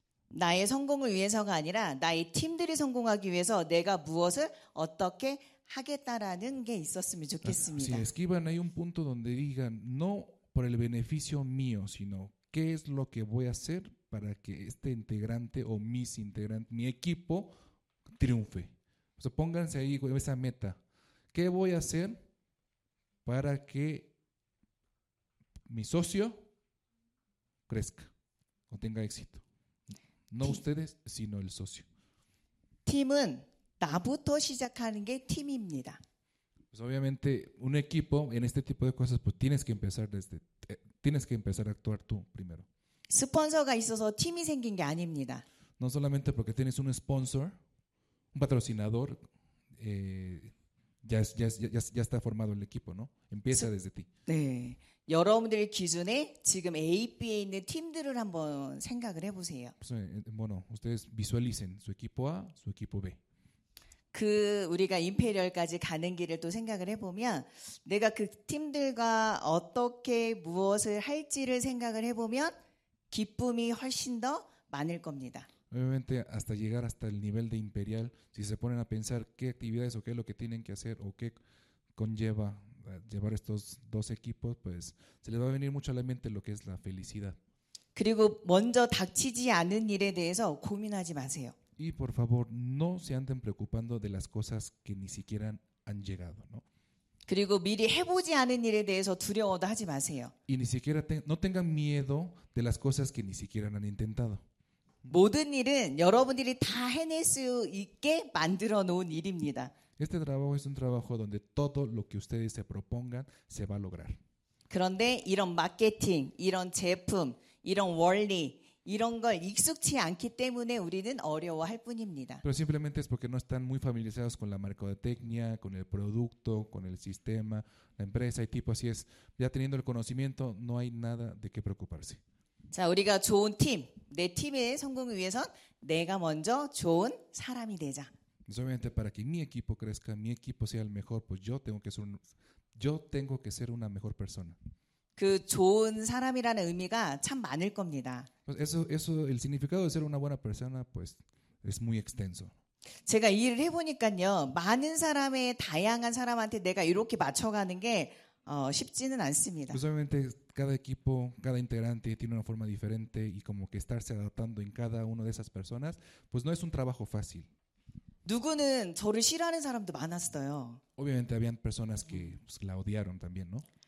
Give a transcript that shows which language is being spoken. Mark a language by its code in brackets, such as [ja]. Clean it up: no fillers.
[ko] 나의 성공을 위해서가 아니라 나의 팀들이 성공하기 위해서 내가 무엇을 어떻게 하겠다라는 게 있었으면 좋겠습니다. [es] Si escriban ahí un punto donde digan no por el beneficio mío, sino qué es lo que voy a hacer para que este integrante o mis integrantes, mi equipo triunfe. O sea, pónganse ahí esa meta. ¿Qué voy a hacer para que mi socio crezca o tenga éxito? No ustedes, sino el socio. [ko] 팀은 나부터 시작하는 게 팀입니다. [es] Pues obviamente un equipo en este tipo de cosas pues tienes que empezar a actuar tú primero. [ko] 스폰서가 있어서 팀이 생긴 게 아닙니다. [es] No solamente porque tienes un sponsor, un patrocinador ya está formado el equipo, ¿no? Empieza desde ti. [ko] 네, 여러분들 기준에 지금 AP에 있는 팀들을 한번 생각을 해보세요. [es] Bueno, ustedes visualicen su equipo A, su equipo B. [ko] 그 우리가 임페리얼까지 가는 길을 또 생각을 해보면 내가 그 팀들과 어떻게 무엇을 할지를 생각을 해보면 기쁨이 훨씬 더 많을 겁니다. [es] Obviamente hasta llegar hasta el nivel de imperial, si se ponen a pensar qué actividades o qué es lo que tienen que hacer o qué conlleva llevar estos dos equipos, pues se les va a venir mucho a la mente lo que es la felicidad. [ko] 그리고 먼저 닥치지 않은 일에 대해서 고민하지 마세요. [es] Y por favor, no se anden preocupando de las cosas que ni siquiera han llegado, ¿no? [ko] 그리고 미리 해보지 않은 일에 대해서 두려워도 하지 마세요. [es] Y ni siquiera no tengan miedo de las cosas que ni siquiera han intentado. [ko] 모든 일은 여러분들이 다 해낼 수 있게 만들어 놓은 일입니다. [es] Este trabajo es un trabajo donde todo lo que ustedes se propongan se va a lograr. [ko] 그런데 이런 마케팅, 이런 제품, 이런 원리, 이런 걸 익숙치 않기 때문에 우리는 어려워할 뿐입니다. [es] Pero simplemente es porque no están muy familiarizados con la mercadotecnia, con el producto, con el sistema, la empresa y tipo así es. Ya teniendo el conocimiento, no hay nada de qué preocuparse. [ko] 자, 우리가 좋은 팀, 내 팀의 성공을 위해선 내가 먼저 좋은 사람이 되자. [es] Solamente para que mi equipo crezca, mi equipo sea el mejor, pues yo tengo que ser una mejor persona. [ko] 그 좋은 사람이라는 의미가 참 많을 겁니다. [es] Pues eso el significado de ser una buena persona pues es muy extenso. [ko] 제가 일을 해 보니까요. 많은 사람의 다양한 사람한테 내가 이렇게 맞춰 가는 게 쉽지는 않습니다. [es] Usualmente cada equipo, cada integrante tiene una forma diferente y como que estarse adaptando en cada una de esas personas, pues no es un trabajo fácil. [ko] 누구는 저를 싫어하는 사람도 많았어요. [es] Obviamente habían personas que pues, la odiaron también, ¿no?